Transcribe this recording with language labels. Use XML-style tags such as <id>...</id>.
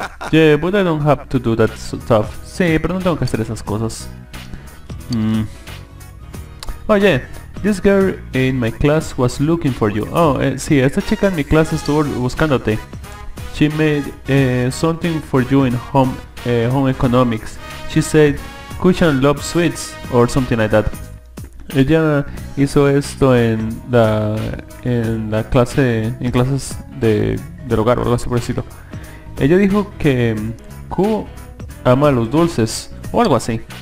<en>Yeah, but I don't have to do that stuff.</en> <es>Sí, pero no tengo que hacer esas cosas. Oye,</es> <en>this girl in my class was looking for you.</en> <es>Sí, esta chica en mi clase estuvo buscándote.</es> <en>She made something for you in home economics. She said, cushion love sweets or something like that.</en> <es>Ella hizo esto en la clase, en clases del hogar o algo así parecido. Ella dijo que Q ama los dulces o algo así.</es>